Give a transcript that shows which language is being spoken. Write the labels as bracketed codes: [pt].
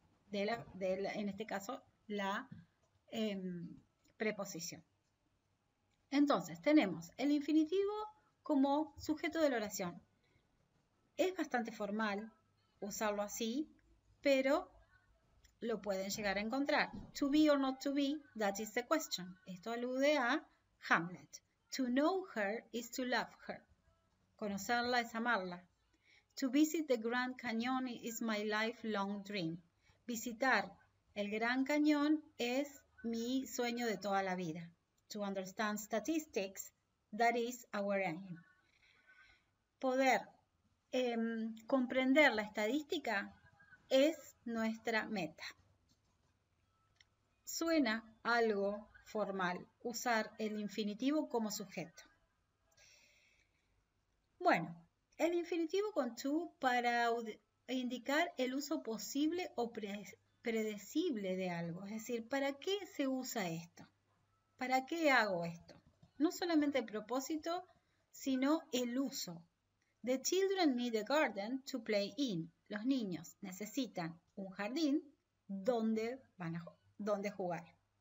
[es] En este caso, la preposición. Entonces, tenemos el infinitivo como sujeto de la oración. Es bastante formal usarlo así, pero lo pueden llegar a encontrar. [en] To be or not to be, that is the question. [es] Esto alude a Hamlet. [en] To know her is to love her. [es] Conocerla es amarla. [en] To visit the Grand Canyon is my lifelong dream. [es] Visitar el Gran Cañón es mi sueño de toda la vida. [en] To understand statistics, that is our aim. [es] Poder comprender la estadística es nuestra meta. Suena algo formal, usar el infinitivo como sujeto. Bueno, el infinitivo con to para indicar el uso posible o predecible de algo. Es decir, ¿para qué se usa esto? ¿Para qué hago esto? No solamente el propósito, sino el uso. [en] The children need a garden to play in. [es] Los niños necesitan un jardín donde van a jugar.